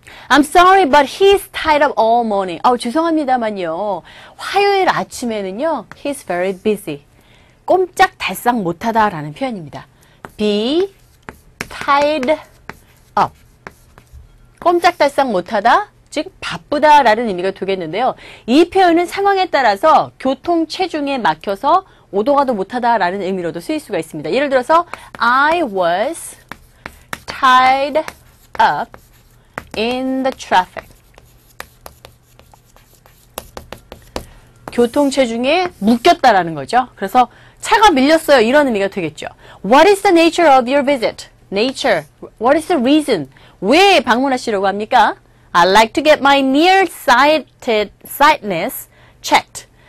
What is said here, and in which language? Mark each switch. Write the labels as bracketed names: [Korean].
[English] I'm sorry, but he's tied up all morning. [Korean] 아, 죄송합니다만요. 화요일 아침에는요, [English] he's very busy. [Korean] 꼼짝달싹 못하다라는 표현입니다. [English] Be tied up. [Korean] 꼼짝달싹 못하다. 즉 바쁘다라는 의미가 되겠는데요. 이 표현은 상황에 따라서 교통 체중에 막혀서 오도가도 못하다라는 의미로도 쓰일 수가 있습니다. 예를 들어서 [English] I was tied up in the traffic. [Korean] 교통 체중에 묶였다라는 거죠. 그래서 차가 밀렸어요. 이런 의미가 되겠죠. [English] What is the nature of your visit? Nature. What is the reason? [Korean] 왜 방문하시려고 합니까? [English] I'd like to get my nearsightedness checked.